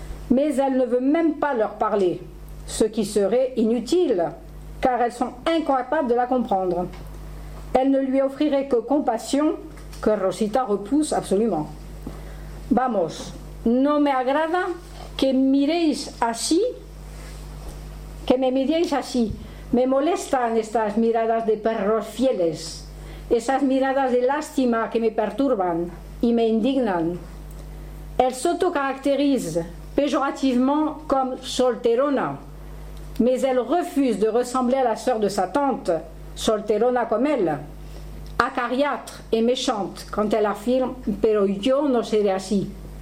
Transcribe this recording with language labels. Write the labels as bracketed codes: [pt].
[fr] Mais elle ne veut même pas leur parler, ce qui serait inutile, car elles sont incapables de la comprendre. Elle ne lui offrirait que compassion, que Rosita repousse absolument. [es] « Vamos, no me agrada que miréis así, que me miréis así. Me molestan estas miradas de perros fieles. » Esas miradas de lástima que me perturban y me indignan. [fr] Elle s'autocaractérise péjorativement comme solterona, mais elle refuse de ressembler à la sœur de sa tante, solterona comme elle, acariâtre et méchante quand elle affirme « [es] pero yo no seré así ».